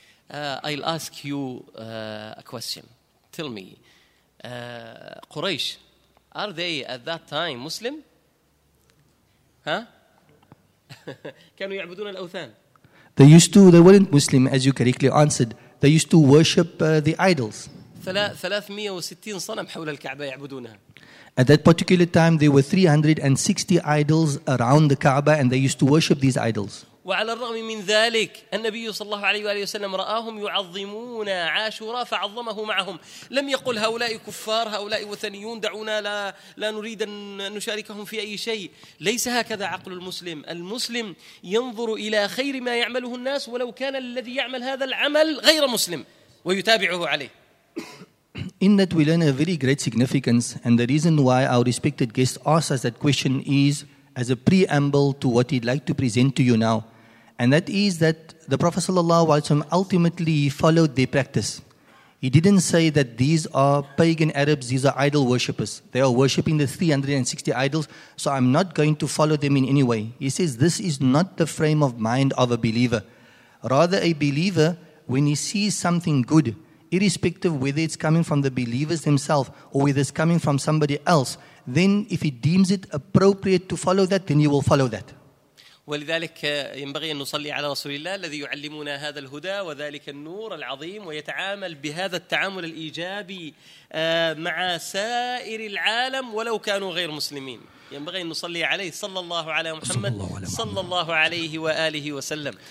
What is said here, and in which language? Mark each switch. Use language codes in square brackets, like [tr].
[en] I'll ask you a question. Tell me, Quraysh, are they at that time Muslim? [ar] Huh? كانوا يعبدون الأوثان. [en] They used to, they weren't Muslim, as you correctly answered. They used to worship the idols. [ar] 360 صنم حول الكعبة يعبدونها. [en] At that particular time, there were 360 idols around the Kaaba, and they used to worship these idols. [ar] وعلى الرغم من ذلك النبي صلى الله عليه وآله وسلم رآهم يعظمون عاشورا فعظمه معهم لم يقل هؤلاء كفار هؤلاء وثنيون دعونا لا نريد أن نشاركهم في أي شيء ليس هكذا عقل المسلم المسلم ينظر إلى خير ما يعمله الناس ولو كان الذي يعمل هذا العمل غير مسلم ويتابعه عليه. [en] In that we learn a very great significance, and the reason why our respected guest asks us that question is as a preamble to what he'd like to present to you now. And that is that the Prophet sallallahu alaihi wasallam ultimately followed their practice. He didn't say that these are pagan Arabs, these are idol worshippers. They are worshipping the 360 idols, so I'm not going to follow them in any way. He says this is not the frame of mind of a believer. Rather, a believer, when he sees something good, irrespective whether it's coming from the believers themselves or whether it's coming from somebody else, then if he deems it appropriate to follow that, then he will follow that. [ar] ولذلك ينبغي أن نصلي على رسول الله الذي يعلمنا هذا الهدى وذلك النور العظيم ويتعامل بهذا التعامل الإيجابي مع سائر العالم ولو كانوا غير مسلمين. ينبغي أن نصلي عليه صلى الله على محمد صلى الله عليه وآله وسلم.